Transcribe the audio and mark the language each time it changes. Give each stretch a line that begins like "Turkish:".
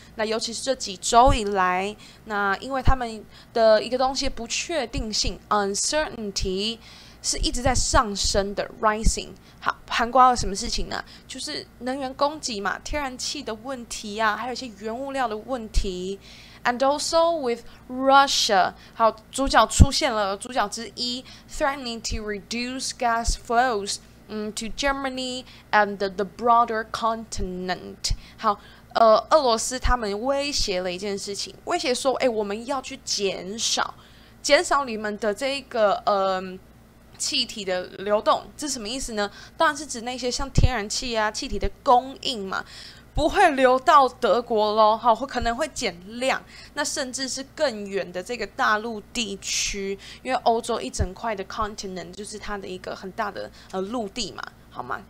Chinese: 那尤其是这几周以来，那因为他们的一个东西不确定性 uncertainty。是一直在上升的 rising。好，涵盖了什么事情呢？就是能源供给嘛，天然气的问题啊，还有一些原物料的问题。
English: And also with Russia,
Chinese: 好，主角出现了，主角之一
English: threatening to reduce gas flows to Germany and the broader continent.
Chinese: 好，俄罗斯他们威胁了一件事情，威胁说，我们要去减少你们的这个气体的流动，这什么意思呢？当然是指那些像天然气啊气体的供应嘛，不会流到德国咯，好，可能会减量，那甚至是更远的这个大陆地区，因为欧洲一整块的 continent 就是它的一个很大的陆地嘛，好吗？